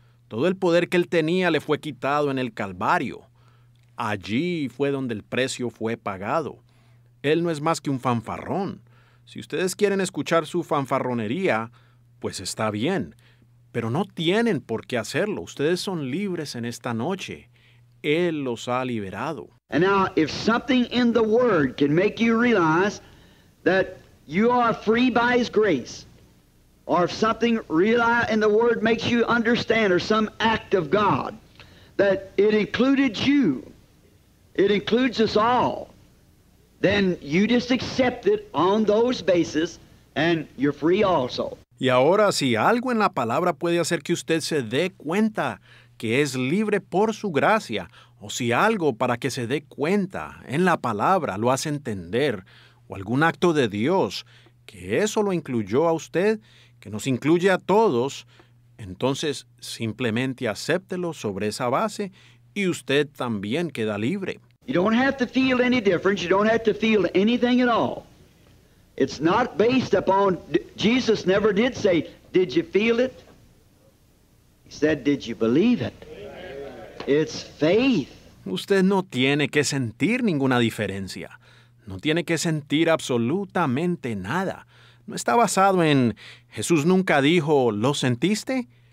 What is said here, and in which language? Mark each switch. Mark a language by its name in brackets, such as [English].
[Spanish] Todo el poder que él tenía le fue quitado en el Calvario. Allí fue donde el precio fue pagado. Él no es más que un fanfarrón. Si ustedes quieren escuchar su fanfarronería, pues está bien. pero no tienen por qué hacerlo. Ustedes son libres en esta noche. Él los ha liberado. [English] And now, if something in the Word can make you realize that you are free by His grace, or if something in the Word makes you understand, or some act of God, that it included you, it includes us all, then you just accept it on those bases, and you're free also. [Spanish] Y ahora, si algo en la palabra puede hacer que usted se dé cuenta que es libre por su gracia, o si algo para que se dé cuenta en la palabra lo hace entender, o algún acto de Dios, que eso lo incluyó a usted, que nos incluye a todos, entonces simplemente acéptelo sobre esa base y usted también queda libre. [English] You don't have to feel any difference. You don't have to feel anything at all. It's not based upon, Jesus never did say, did you feel it? He said, did you believe it? It's faith. [Spanish] Usted no tiene que sentir ninguna diferencia. No tiene que sentir absolutamente nada. No está basado en, Jesús nunca dijo, ¿lo sentiste?